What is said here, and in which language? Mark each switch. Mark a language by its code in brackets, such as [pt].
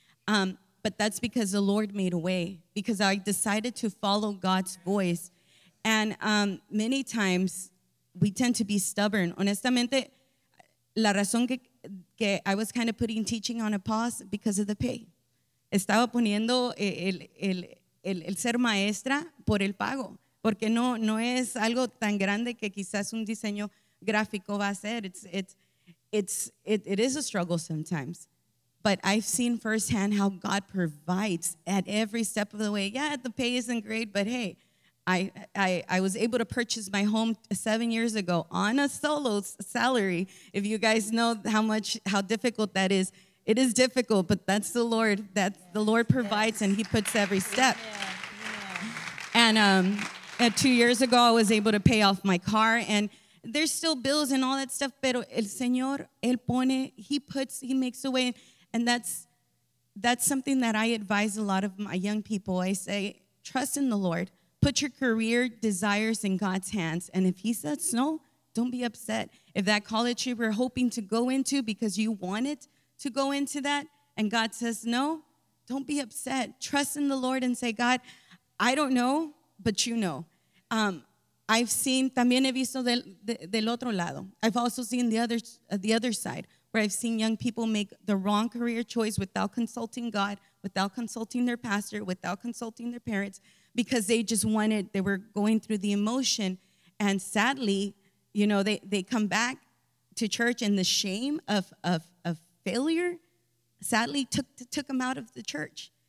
[en] But that's because the Lord made a way, because I decided to follow God's voice. And many times, we tend to be stubborn. [es] Honestamente, la razón que [en] I was kind of putting teaching on a pause because of the pay. [es] Estaba poniendo el ser maestra por el pago, porque no es algo tan grande que quizás un diseño gráfico va a ser. [en] It is a struggle sometimes, but I've seen firsthand how God provides at every step of the way. Yeah, the pay isn't great, but hey, I was able to purchase my home 7 years ago on a solo salary. If you guys know how difficult that is, it is difficult, but that's the Lord. That's the Lord provides, and He puts every step. And 2 years ago, I was able to pay off my car, and there's still bills and all that stuff, [es] pero el Señor, Él pone, [en] He makes a way. And that's something that I advise a lot of my young people. I say, trust in the Lord. Put your career desires in God's hands. And if He says no, don't be upset. If that college you were hoping to go into because you wanted to go into that and God says no, don't be upset. Trust in the Lord and say, God, I don't know, but you know. I've seen, [es] también he visto del otro lado. [en] I've also seen the other side where I've seen young people make the wrong career choice without consulting God, without consulting their pastor, without consulting their parents, because they just wanted, they were going through the emotion. And sadly, you know, they come back to church and the shame of failure sadly took them out of the church.